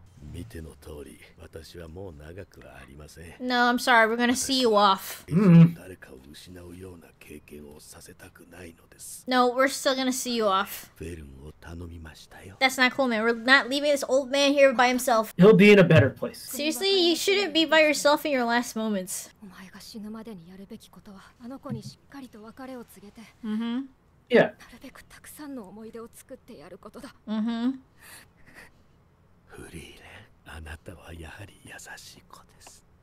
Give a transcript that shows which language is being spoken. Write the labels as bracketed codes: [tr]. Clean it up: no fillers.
[ja] 見ての通り、私はもう長くはありません。 [en] No, I'm sorry. We're gonna see you off. [ja] 誰かを失うような経験をさせたくないのです。 [en] No, we're still gonna see you off. [ja] フェルンを頼みましたよ。 [en] That's not cool, man. We're not leaving this old man here by himself. He'll be in a better place. Seriously, you shouldn't be by yourself in your last moments. [ja] お前が死ぬまでにやるべきことは、あの子にしっかりと別れを告げて。 Mm-hmm. Yeah. なるべくたくさんの思い出を作ってやることだ。 Mm-hmm. フリーレン。あなたはやはり優しい子です。